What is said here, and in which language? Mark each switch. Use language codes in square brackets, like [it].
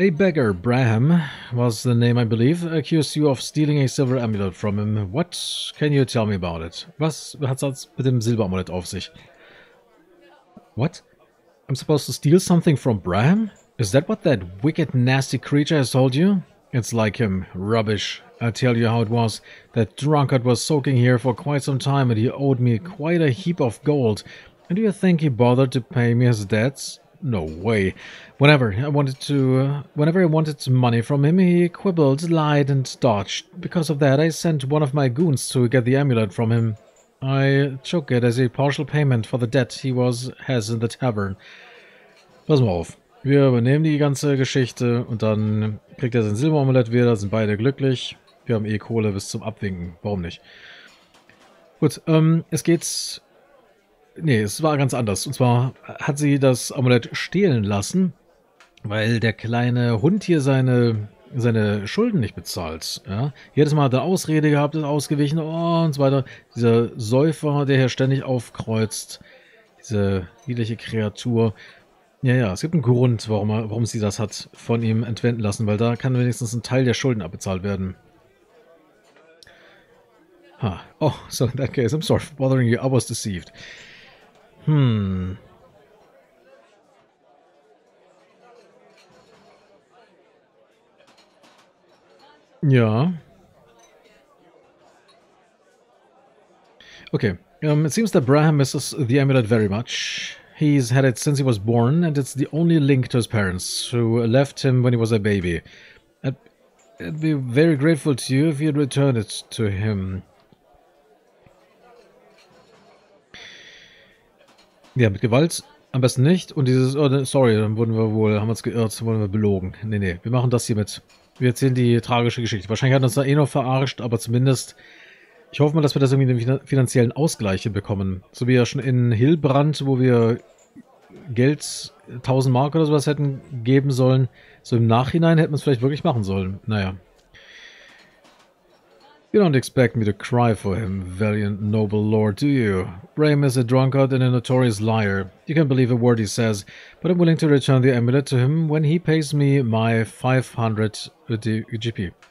[en] A beggar, Braham, was the name, I believe, accused you of stealing a silver amulet from him. What can you tell me about it? [de] Was hat es mit dem Silberamulett auf sich? [en] What? I'm supposed to steal something from Braham? Is that what that wicked, nasty creature has told you? It's like him. Rubbish. I'll tell you how it was. That drunkard was soaking here for quite some time and he owed me quite a heap of gold. And do you think he bothered to pay me his debts? No way. Whenever I wanted money from him, he quibbled, lied and dodged. Because of that, I sent one of my goons to get the amulet from him. I took it as a partial payment for the debt he has in the tavern. [de] Pass mal auf. Wir übernehmen die ganze Geschichte und dann kriegt er sein Silberomelett wieder, sind beide glücklich. Wir haben eh Kohle bis zum Abwinken. Warum nicht? Gut, es geht's. Nee, es war ganz anders. Und zwar hat sie das Amulett stehlen lassen. Weil der kleine Hund hier seine Schulden nicht bezahlt. Ja? Jedes Mal hat er Ausrede gehabt, ist ausgewichen und so weiter. Dieser Säufer, der hier ständig aufkreuzt. Diese niedliche Kreatur. Ja, es gibt einen Grund, warum sie das hat von ihm entwenden lassen, weil da kann wenigstens ein Teil der Schulden abbezahlt werden. Ha. [en] Oh, so in that case, I'm sorry for bothering you, I was deceived. [de] Ja. [en] Okay. It seems that Braham misses the amulet very much. He's had it since he was born, and it's the only link to his parents, who left him when he was a baby. I'd be very grateful to you if you'd return it to him. [de] Ja, mit Gewalt am besten nicht. Und dieses, oh, sorry, dann wurden wir wohl, haben wir uns geirrt, wurden wir belogen. Nee, wir machen das hier mit. Wir erzählen die tragische Geschichte. Wahrscheinlich hat uns da eh noch verarscht, aber zumindest... Ich hoffe mal, dass wir das irgendwie in den finanziellen Ausgleich bekommen. So wie ja schon in Hillbrand, wo wir Geld, 1000 Mark oder sowas hätten geben sollen. So im Nachhinein hätten wir es vielleicht wirklich machen sollen. Naja. [en] You don't expect me to cry for him, valiant noble lord, do you? Braham is a drunkard and a notorious liar. You can't believe a word he says, but I'm willing to return the amulet to him when he pays me my 500 GP.